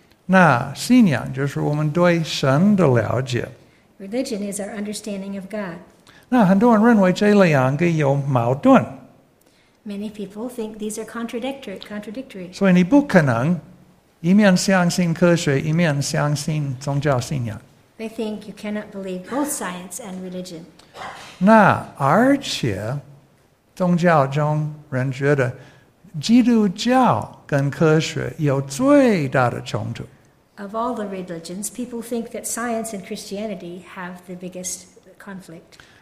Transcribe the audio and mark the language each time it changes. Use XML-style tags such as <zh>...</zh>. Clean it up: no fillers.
<zh>那信仰就是我们对神的了解。</zh> <en>Religion is our understanding of God.</en> <zh>那很多人认为这两个有矛盾。</zh> <en>Many people think these are contradictory.</en> <zh>所以你不可能一面相信科学，一面相信宗教信仰。</zh> <en>They think you cannot believe both science and religion.</en> <zh>那而且宗教中人觉得基督教跟科学有最大的冲突。</zh> <en>Of all the religions, people think that science and Christianity have the biggest conflict.</en>